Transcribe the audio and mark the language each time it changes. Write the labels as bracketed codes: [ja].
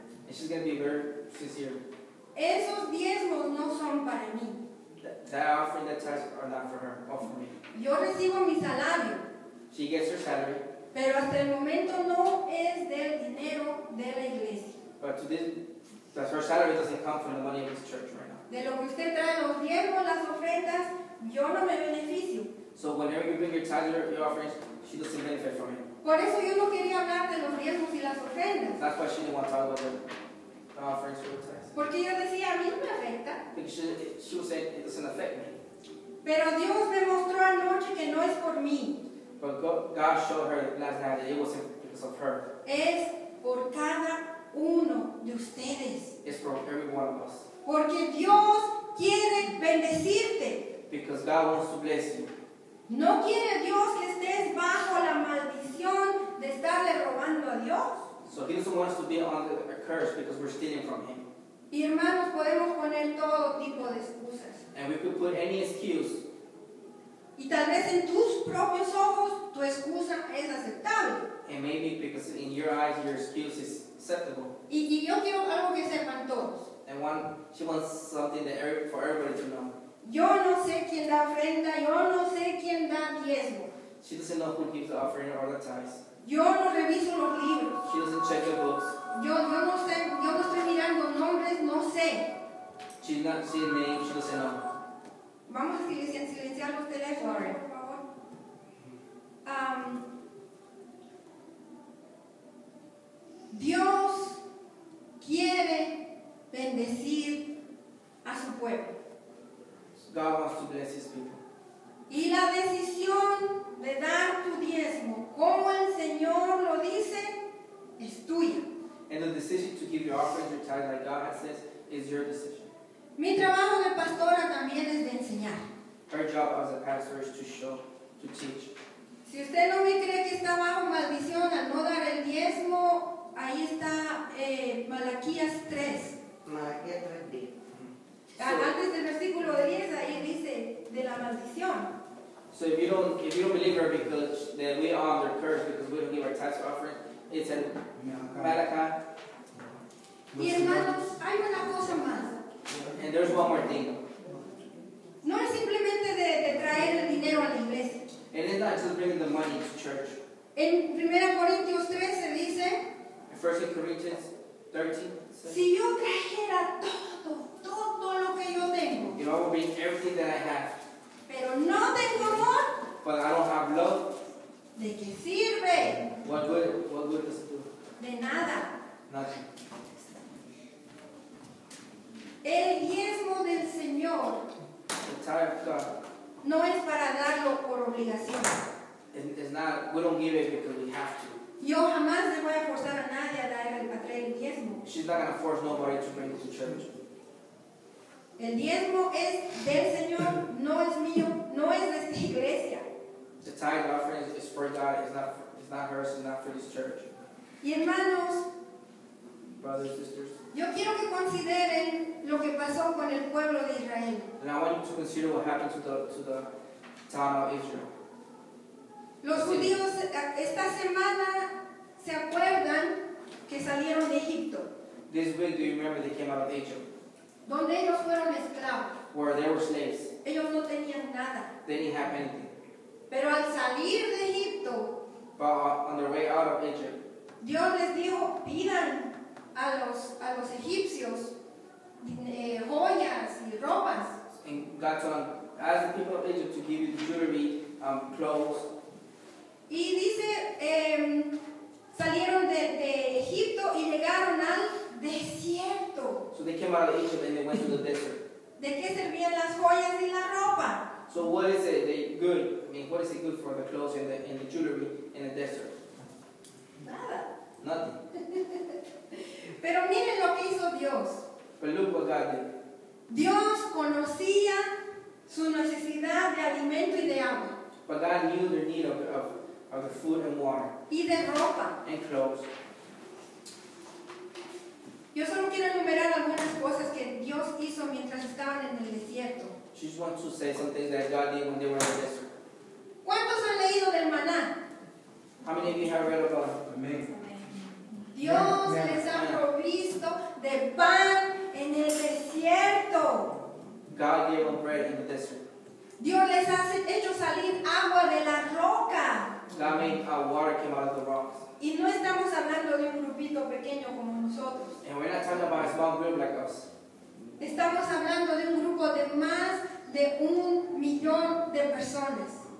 [en] And she's going to be very sincere. [es] Esos diezmos no son para mí. [en] That offering, that tithes are not for her, or for me. [es] Yo recibo mi salario. [en] She gets her salary. [es] Pero hasta el momento no es del dinero de la iglesia. [en] But to this, that her salary doesn't come from the money of this church right now. [es] De lo que usted trae, los diezmos, las ofrendas, yo no me beneficio. [en] So whenever you bring your tithes or your offerings, she doesn't benefit from it. [es] Por eso yo no quería hablar de los diezmos y las ofrendas. [en] That's why she didn't want to talk about the offerings or the tithes. [es] Porque ella decía, a mí no me afecta. [en] Because she would say, it doesn't affect me. [es] Pero Dios me mostró anoche que no es por mí. [en] But God showed her last night that it wasn't because of her. [es] Es por cada uno de ustedes. [en] It's for every one of us. [es] Porque Dios quiere bendecirte. [en] Because God wants to bless you. [es] No quiere Dios que estés bajo la maldición de estarle robando a Dios. [en] So He doesn't want us to be under a curse because we're stealing from Him. [es] Y hermanos, podemos poner todo tipo de excusas. [en] And we could put any excuse. [es] Y tal vez en tus propios ojos tu excusa es aceptable. [en] And maybe because in your eyes your excuse is acceptable. [es] Y yo quiero algo que sepan todos. [en] And one, she wants something that for everybody to know. [es] Yo no sé quién da ofrenda, yo no sé quién da diezmo. [en] She doesn't know who gives the offering or the tithes. [es] Yo no reviso los libros. [en] She doesn't check the books. [es] Yo no estoy mirando nombres, no sé. [en] She's not seeing names, she doesn't know. [es] Vamos a silenciar los teléfonos, por favor. Dios quiere bendecir [en] God wants to bless his people. [es] Y la decisión de dar tu diezmo, como el Señor lo dice, es tuya. [en] And the decision to give your offering, your tithe, like God has said, is your decision. [es] Mi trabajo de pastora también es de enseñar. [en] Her job as a pastor is to show, to teach. [es] Si usted no me cree que está bajo maldición al no dar el diezmo, ahí está Malaquías 3. Antes del versículo 10, ahí dice de la maldición. [en] So if you don't believe her because that we are under curse because we don't give our tax offering, it's in Malachi. [es] Y hermanos, hay una cosa más. [en] And there's one more thing. [es] No es simplemente de traer el dinero a la iglesia. [en] And it's not just bringing the money to church. [es] En 1 Corintios 13 dice, [en] in 1 Corinthians 13, [es] si yo trajera todo lo que yo tengo, [en] you know, I will bring everything that I have. [es] Pero no tengo amor. [en] But I don't have love. [es] ¿De qué sirve? [en] What good does it do? [es] De nada. [en] Nothing. [es] El diezmo del Señor. [en] The tithe of God. [es] No es para darlo por obligación. [en] It's not, we don't give it because we have to. [es] Yo jamás le voy a forzar a nadie a traer el diezmo. [en] She's not going to force nobody to bring it to church. [es] El diezmo es del Señor, no es mío, no es de esta iglesia. [en] The tithe offering is for God, it's not hers, it's not for this church. [es] Y hermanos, [en] brothers, sisters, [es] yo quiero que consideren lo que pasó con el pueblo de Israel. [en] And I want you to consider what happened to the town of Israel. [es] Los judíos esta semana se acuerdan que salieron de Egipto. [en] This week, do you remember they came out of Egypt? [es] Donde ellos fueron esclavos. [en] Where they were slaves. [es] Ellos no tenían nada. [en] They didn't have anything. [es] Pero al salir de Egipto, [en] but on their way out of Egypt, [es] Dios les dijo, pidan a los egipcios joyas y ropas. [en] And God told them, ask the people of Egypt to give you the jewelry, clothes. [es] Y dice, salieron de Egipto y llegaron al desierto. [en] So they came out of Egypt and they went to the desert. [es] ¿De qué servían las joyas y la ropa? [en] So what is it the good? I mean, what is it good for, the clothes and the jewelry in the desert? [es] Nada. [en] Nothing. [es] Pero miren lo que hizo Dios. [en] But look what God did. [es] Dios conocía su necesidad de alimento y de agua. [en] But God knew their need of the food and water. [es] Y de ropa. [en] And clothes. [es] Yo solo quiero enumerar algunas cosas que Dios hizo mientras estaban en el desierto. [en] She just wants to say some things that God did when they were in the desert. [es] ¿Cuántos han leído del maná? [en] How many of you have read about it? Amen. [es] Dios les ha provisto de pan en el desierto. [en] God gave them bread in the desert. [es] Dios les ha hecho salir agua de la roca. [en] God made a water came out of the rocks. [es] Y no estamos hablando de un grupito pequeño como nosotros. [en] And we're not talking about a small group like us. [es] Estamos hablando de un grupo de más de 1 millón de personas.